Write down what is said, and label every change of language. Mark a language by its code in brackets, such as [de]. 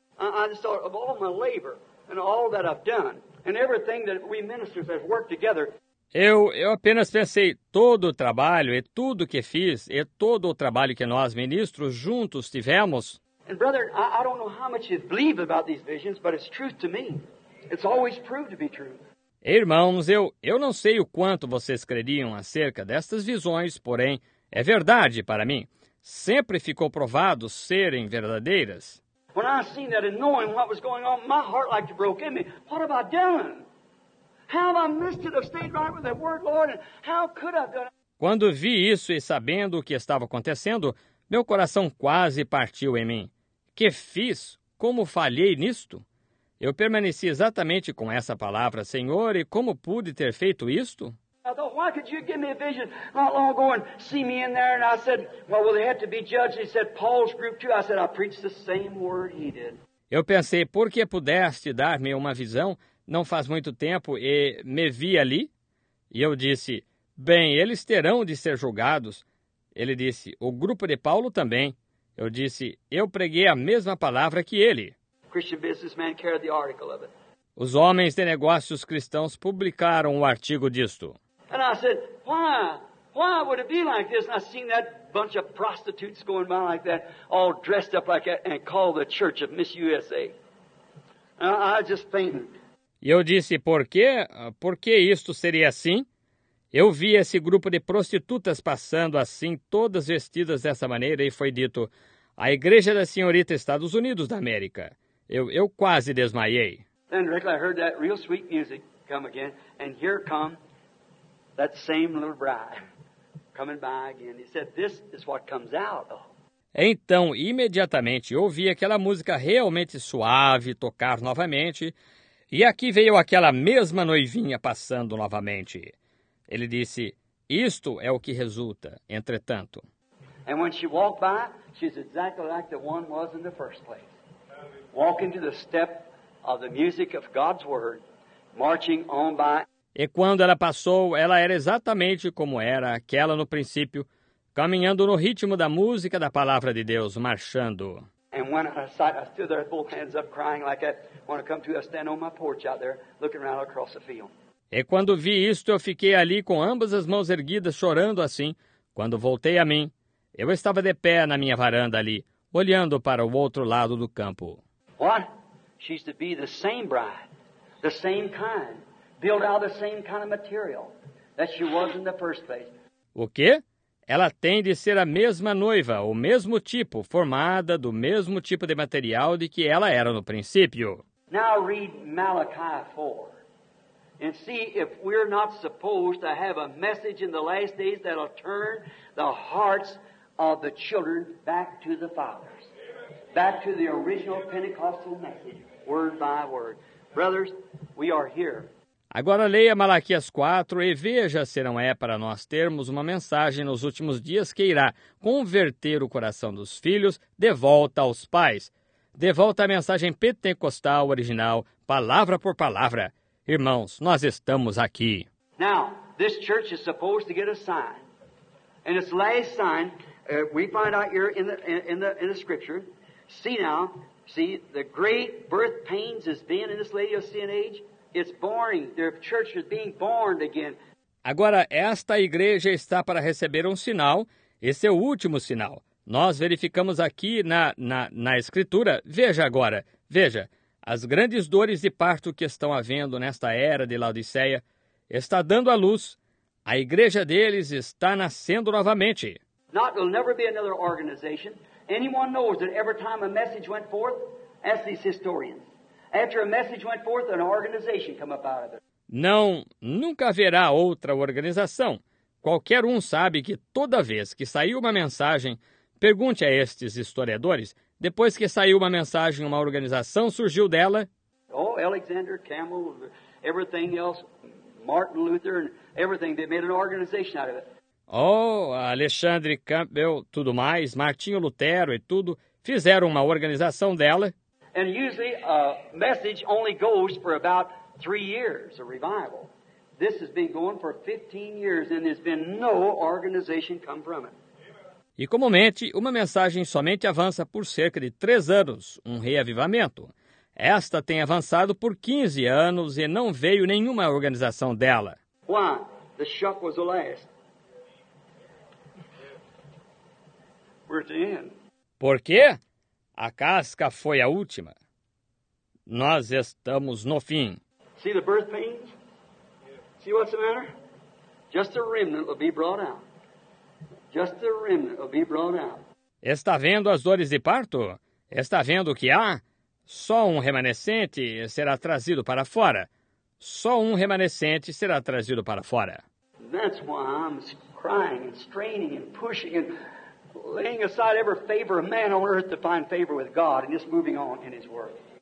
[en] I just thought of all my labor and all that I've done and everything that we ministers have worked together. [pt] Eu apenas pensei todo o trabalho e tudo que fiz e todo o trabalho que nós ministros juntos tivemos. [en] And brother, I don't know how much you believe about these visions, but it's truth to me. It's always proved to be true. [pt] Irmãos, eu não sei o quanto vocês creriam acerca destas visões, porém, é verdade para mim. Sempre ficou provado serem verdadeiras. [en] When I seen that and knowing what was going on, my heart like broke in me. What have I done? How I missed it, have stayed right with that word, Lord, and how could I have done it? [pt] Quando vi isso e sabendo o que estava acontecendo, meu coração quase partiu em mim. Que fiz? Como falhei nisto? Eu permaneci exatamente com essa palavra, Senhor, e como pude ter feito isto? [en] Why could you give me a vision not long ago and see me in there? And I said, well, will they have to be judged? He said, Paul's group too. I said, I preached the same word he did. [pt] Eu pensei, por que pudeste dar-me uma visão não faz muito tempo e me vi ali? E eu disse, bem, eles terão de ser julgados. Ele disse, o grupo de Paulo também. Eu disse, eu preguei a mesma palavra que ele. [en] Christian businessman carried the article of it. [pt] Os homens de negócios cristãos publicaram um artigo disto. [en] And I said, why would it be like this? And I seen that bunch of prostitutes going by like that, all dressed up like that, and call the church of Miss USA. And I just fainted. [pt] E eu disse, por quê? Por que isto seria assim? Eu vi esse grupo de prostitutas passando assim, todas vestidas dessa maneira, e foi dito, a Igreja da Senhorita Estados Unidos da América. Eu quase desmaiei. [en] Then directly I heard that real sweet music come again, and here come that same little bride coming by again. He said, this is what comes out. [pt] Então, imediatamente, eu ouvi aquela música realmente suave tocar novamente, e aqui veio aquela mesma noivinha passando novamente. Ele disse, isto é o que resulta, entretanto. [en] And when she walked by, she's exactly like the one was in the first place. Walking to the step of the music of God's word, marching on by. [pt] E quando ela passou, ela era exatamente como era aquela no princípio, caminhando no ritmo da música da palavra de Deus, marchando. [en] And when I sat, I stood there with both hands up crying like that. When I come to, I stand on my porch out there, looking around across the field. [pt] E quando vi isto, eu fiquei ali com ambas as mãos erguidas, chorando assim. Quando voltei a mim, eu estava de pé na minha varanda ali, olhando para o outro lado do campo. [en] What? She's to be the same bride, the same kind, built out of the same kind of material that she was in the first place. [pt] O quê? Ela tem de ser a mesma noiva, o mesmo tipo, formada do mesmo tipo de material de que ela era no princípio. [en] Now read Malachi 4. And see if we're not supposed to have a message in the last days that'll turn the hearts of the children back to the fathers. Back to the original Pentecostal message, word by word. Brothers, we are here. [pt] Agora leia Malaquias 4 e veja se não é para nós termos uma mensagem nos últimos dias que irá converter o coração dos filhos de volta aos pais. De volta à mensagem pentecostal original, palavra por palavra. Irmãos, nós estamos aqui. [en] Now, this church is supposed to get a sign. And its last sign, we find out here in the scripture. See, the great birth pains is being in this lady of sin age. It's born. Their church is being born again. [pt] Agora, esta igreja está para receber um sinal. Esse é o último sinal. Nós verificamos aqui na escritura. Veja agora, veja. As grandes dores de parto que estão havendo nesta era de Laodiceia está dando à luz. A igreja deles está nascendo novamente. [en] Not, there'll never be another organization. Anyone knows that every time a message went forth, ask these historians. After a message went forth, an organization come up out of it. [pt] Não, nunca haverá outra organização. Qualquer um sabe que toda vez que saiu uma mensagem, pergunte a estes historiadores. Depois que saiu uma mensagem, uma organização surgiu dela. [en] Oh, Alexander Campbell, everything else, Martin Luther and everything, they made an organization out of it. [pt] Oh, Alexandre Campbell, tudo mais, Martinho Lutero e tudo, fizeram uma organização dela. [en] And usually a message only goes for about 3 years, a revival. This has been going for 15 years and there's been no organization come from it. [pt] E comumente, uma mensagem somente avança por cerca de 3 anos, um reavivamento. Esta tem avançado por 15 anos e não veio nenhuma organização dela. [en] Why? The shock was the last. We're at the end. [pt] Por quê? A casca foi a última. Nós estamos no fim. [en] See the birth pains? See what's the matter? Just a remnant will be brought out. Just the remnant will be brought out. [pt] Está vendo as dores de parto? Está vendo o que há? Só um remanescente será trazido para fora. só um remanescente será trazido para fora. [en] That's why I'm crying and straining and pushing and laying aside every favor of man on earth to find favor with God and just moving on in his work.